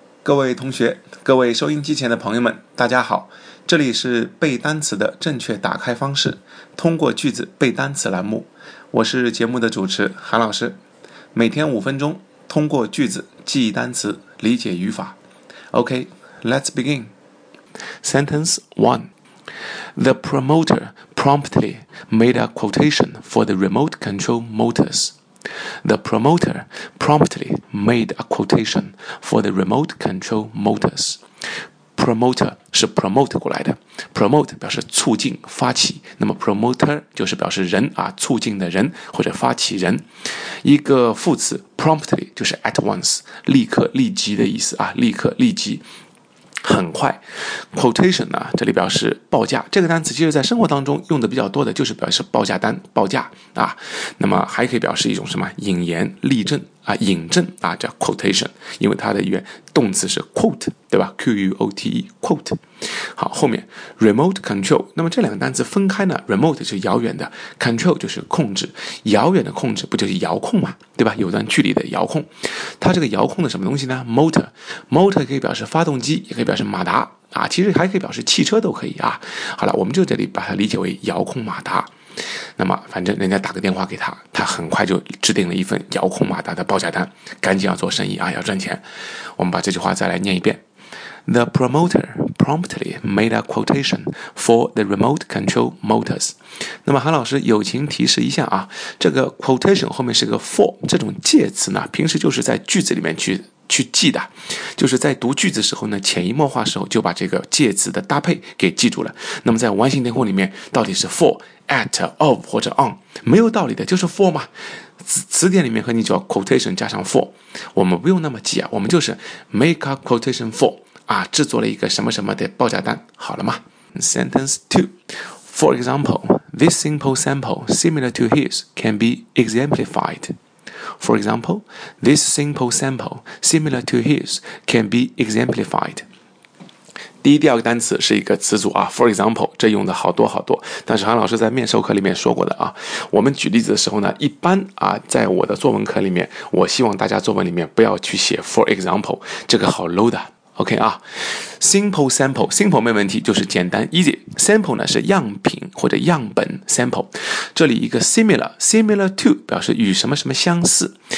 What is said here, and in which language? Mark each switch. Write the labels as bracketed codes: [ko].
[zh] 各位同学，各位收音机前的朋友们，大家好，这里是背单词的正确打开方式，通过句子背单词栏目，我是节目的主持韩老师，每天五分钟，通过句子记忆单词，理解语法。 [en] OK, let's begin. Sentence 1. The promoter promptly made a quotation for the remote control motors. The promoter promptly made a quotation for the remote control motors. [zh] Promoter 是 promote 过来的， promote 表示促进发起，那么 promoter 就是表示人啊，促进的人或者发起人。一个副词 promptly 就是 at once，立刻立即的意思啊，立刻立即很快。 quotation 呢，这里表示报价，这个单词其实在生活当中用的比较多的就是表示报价单，报价啊。那么还可以表示一种什么引言立证啊，引证啊，叫 quotation， 因为它的原动词是 quote， 对吧， quote quote。好，后面 remote control， 那么这两个单词分开呢， remote 是遥远的， control 就是控制，遥远的控制不就是遥控嘛，对吧，有段距离的遥控。它这个遥控的什么东西呢， motor， motor 可以表示发动机，也可以表示马达啊，其实还可以表示汽车都可以啊。好了，我们就这里把它理解为遥控马达。那么反正人家打个电话给他，他很快就制定了一份遥控马达的报价单，赶紧要做生意啊，要赚钱。我们把这句话再来念一遍。 The promoter promptly made a quotation for the remote control motors. 那么韩老师友情提示一下啊，这个 quotation 后面是个 for， 这种介词呢平时就是在句子里面去记的，就是在读句子时候呢，潜移默化时候就把这个介词的搭配给记住了。那么在完形填空里面到底是 for、at、of 或者 on， 没有道理的，就是 for 嘛。词典里面和你叫 quotation 加上 for， 我们不用那么记啊，我们就是 make a quotation for 啊，制作了一个什么什么的报价单，好了吗？ [en] Sentence 2. For example, this simple sample similar to his can be exemplifiedFor example, this simple sample similar to his can be exemplified. [zh] 第一第二个单词是一个词组啊， for example，这用的好多好多，但是韩老师在面授课里面说过的啊。我们举例子的时候呢，一般啊，在我的作文课里面，我希望大家作文里面不要去写 for example，这个好 low 的。 OK 啊， simple sample， simple 没问题，就是简单 easy， sample 呢是样品或者样本 sample， 这里一个 similar， similar to 表示与什么什么相似。